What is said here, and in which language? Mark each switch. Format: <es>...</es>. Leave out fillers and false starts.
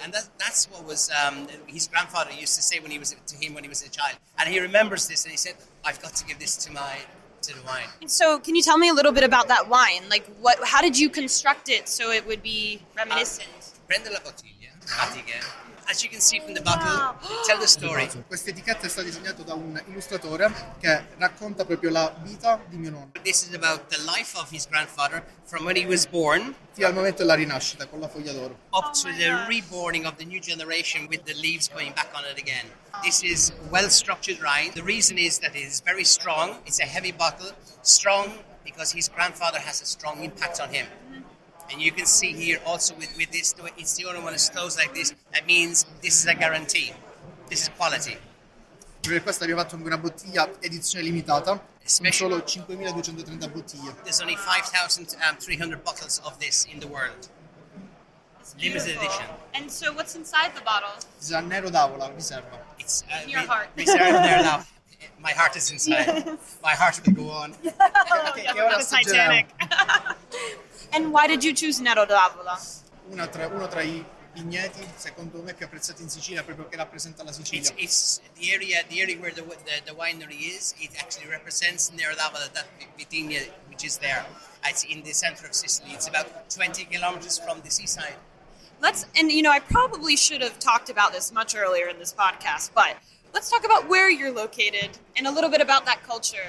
<en>And that's what was his grandfather used to say when he was a child. And he remembers this and he said, I've got to give this to the wine. So can you tell me a little bit about that wine? Like what? How did you construct it so it would be reminiscent?</en> <it>Prende la bottiglia, Batiké.</it> <en>As you can see from the bottle, tell the story.</en> <it>Questa etichetta è stata disegnata da un illustratore che racconta proprio la vita di mio nonno.</it> <en>This is about the life of his grandfather from when he was born.</en> <it>Fino al momento della rinascita con la foglia d'oro.</it> <en>Up to the reborning of the new generation with the leaves going back on it again. This is well-structured rind. The reason is that it is very strong. It's a heavy bottle. Strong because his grandfather has a strong impact on him. And you can see here also with this, it's the only one that's closed like this. That means this is a guarantee. This is quality.</en> <it>Per questo abbiamo fatto una bottiglia edizione limitata. Special. Solo 5230 bottiglie.</it> <en>There's only 5,300 bottles of this in the world. Limited edition. And so what's inside the bottle?</en> <it>Zannero d'Avola, riserva.</it> <en>It's in your heart. Riserva there now. My heart is inside. Yes. My heart will go on. Okay, you're on the Titanic. And why did you choose Nero d'Avola?</en> <it>Uno tra i vigneti, secondo me, più apprezzati in Sicilia, proprio che rappresenta la Sicilia.</it> <en>It's the area where the winery is. It actually represents Nero d'Avola, that vitigna, which is there. It's in the center of Sicily. It's about 20 kilometers from the seaside. I probably should have talked about this much earlier in this podcast, but let's talk about where you're located and a little bit about that culture.</en>